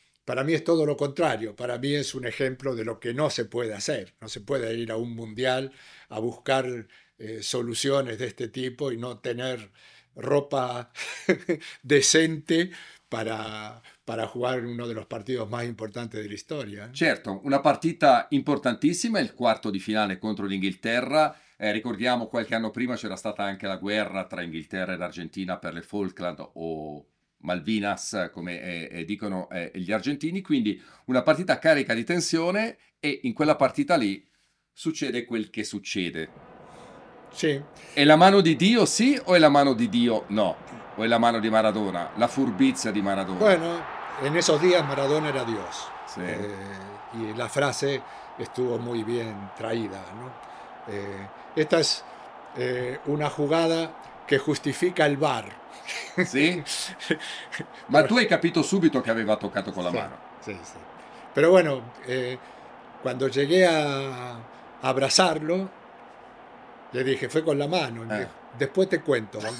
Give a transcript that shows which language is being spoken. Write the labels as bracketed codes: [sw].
[es] Para mí es todo lo contrario, para mí es un ejemplo de lo que no se puede hacer, no se puede ir a un mundial a buscar soluciones de este tipo y no tener ropa decente para jugar uno de los partidos más importantes de la historia. [it] Certo, una partita importantissima, il quarto di finale contro l'Inghilterra. Ricordiamo, qualche anno prima c'era stata anche la guerra tra Inghilterra e l'Argentina per le Falkland o Malvinas, come dicono gli argentini. Quindi una partita carica di tensione e in quella partita lì succede quel che succede. Sì. È la mano di Dio sì o è la mano di Dio no? O è la mano di Maradona, la furbizia di Maradona? [es] Bueno, en esos días Maradona era Dios. [it] Sì. [es] Y la frase estuvo muy bien traída, ¿no? Esta es una jugada que justifica el VAR. [it] Sì? Ma tu hai capito subito che aveva toccato con la sì, mano. Sì, sì. [es] Pero bueno, cuando llegué a abrazarlo, Le dije, fue con la mano. Dije, después te cuento.